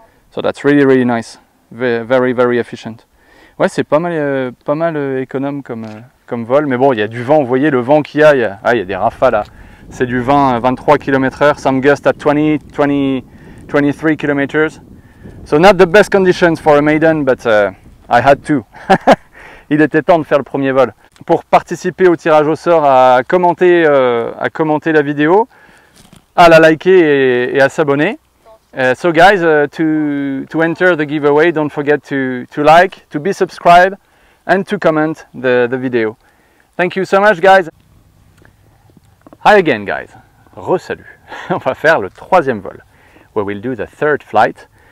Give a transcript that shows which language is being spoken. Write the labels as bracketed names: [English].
[English] So that's really really nice, very very efficient. [French] Ouais, c'est pas mal économe comme vol, mais bon, il y a du vent, vous voyez le vent qu'il y a, il y a des rafales là. C'est du vent 23 km/h, [English] some gusts at 23 km/h. So not the best conditions for a maiden, but I had to. [French] Il était temps de faire le premier vol. Pour participer au tirage au sort, à commenter la vidéo, à la liker et à s'abonner. [English] So guys, to enter the giveaway, don't forget to like, to be subscribed, and to comment the video. Thank you so much, guys. Hi again, guys. [French] Re-salut. On va faire le troisième vol. [English] We will do the third flight.